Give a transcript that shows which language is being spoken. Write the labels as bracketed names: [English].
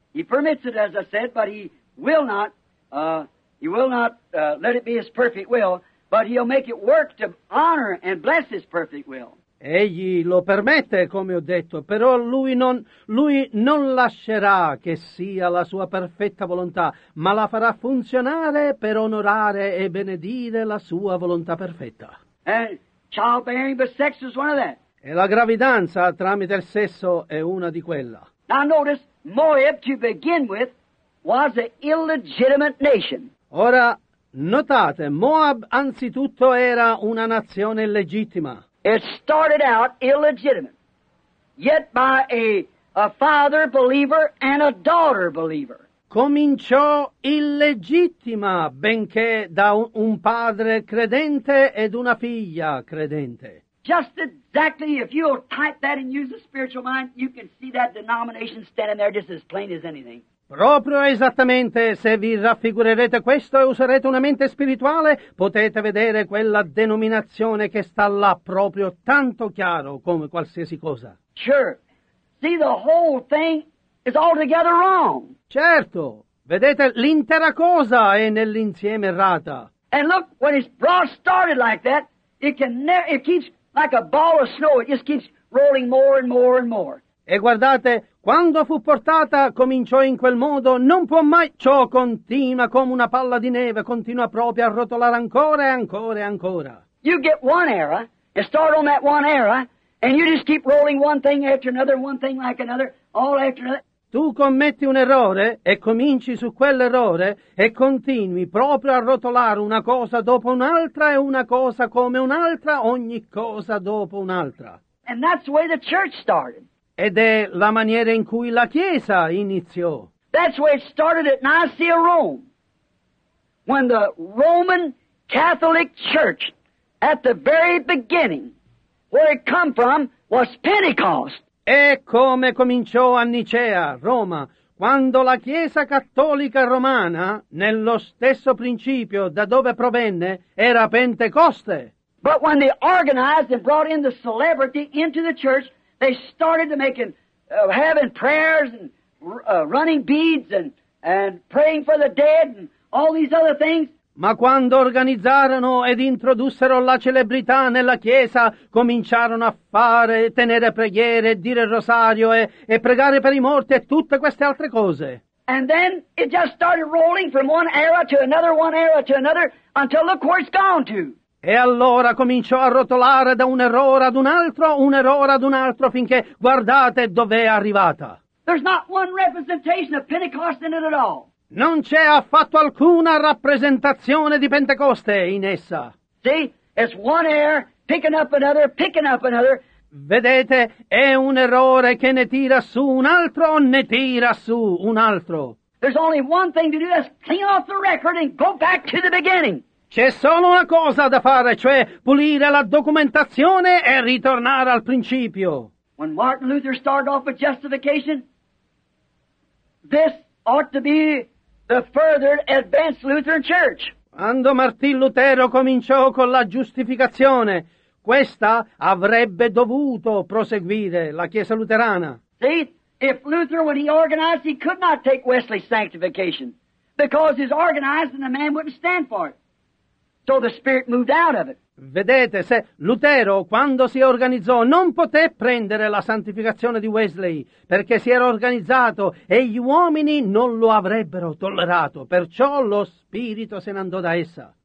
[English] He permits it, as I said, but he will not. He will not let it be his perfect will, but he'll make it work to honor and bless his perfect will. [Italian] Egli lo permette, come ho detto, però lui non lascerà che sia la sua perfetta volontà, ma la farà funzionare per onorare e benedire la sua volontà perfetta. [English] And childbearing by sex is one of that. [Italian] E la gravidanza tramite il sesso è una di quella. [English] Now notice, Moab to begin with was an illegitimate nation. [Italian] Ora notate, Moab anzitutto era una nazione illegittima. [English] It started out illegitimate, yet by a father believer and a daughter believer. [Italian] Cominciò illegittima, benché da un padre credente ed una figlia credente. [English] Just exactly, if you'll type that and use a spiritual mind, you can see that denomination standing there just as plain as anything. [Italian] Proprio esattamente, se vi raffigurerete questo e userete una mente spirituale, potete vedere quella denominazione che sta là proprio tanto chiaro come qualsiasi cosa. [English] Sure. See, the whole thing is altogether wrong. [Italian] Certo. Vedete, l'intera cosa è nell'insieme errata. [English] And look, when it's brought started like that, it keeps like a ball of snow, it just keeps rolling more and more and more. [Italian] E guardate, quando fu portata, cominciò in quel modo, non può mai, ciò continua come una palla di neve, continua proprio a rotolare ancora e ancora e ancora. [English] You get one era, and start on that one era, and you just keep rolling one thing like another, all after another. [Italian] Tu commetti un errore, e cominci su quell'errore, e continui proprio a rotolare una cosa dopo un'altra, e una cosa come un'altra, ogni cosa dopo un'altra. [English] And that's the way the church started. [Italian] Ed è la maniera in cui la Chiesa iniziò. [English] That's where it started at Nicaea, Rome. When the Roman Catholic Church, at the very beginning, where it come from, was Pentecost. [Italian] E come cominciò a Nicea, Roma, quando la Chiesa Cattolica Romana, nello stesso principio da dove provenne, era Pentecoste. [English] But when they organized and brought in the celebrity into the church, they started to make having prayers and running beads and praying for the dead and all these other things. [Italian] Ma quando organizzarono ed introdussero la celebrità nella chiesa, cominciarono a fare, tenere preghiere, dire il rosario e pregare per i morti e tutte queste altre cose. [English] And then it just started rolling from one era to another, until look where it's gone to. [Italian] E allora cominciò a rotolare da un errore ad un altro, finché guardate dov'è arrivata. [English] There's not one representation of Pentecost in it at all. [Italian] Non c'è affatto alcuna rappresentazione di Pentecoste in essa. [English] See, it's one error, picking up another. [Italian] Vedete, è un errore che ne tira su un altro, ne tira su un altro. [English] There's only one thing to do, that's clean off the record and go back to the beginning. [Italian] C'è solo una cosa da fare, cioè pulire la documentazione e ritornare al principio. [English] When Martin Luther started off with justification, this ought to be the further advanced Lutheran church. [Italian] Quando Martin Lutero cominciò con la giustificazione, questa avrebbe dovuto proseguire la Chiesa Luterana. [English] See, if Luther, when he organized, he could not take Wesley's sanctification, because he's organized and the man wouldn't stand for it. So the spirit moved out of it. [Italian] Vedete, se Lutero, quando si organizzò, non poté prendere la santificazione di Wesley, perché si era organizzato e gli uomini non lo avrebbero tollerato. Perciò lo spirito se ne andò da essa.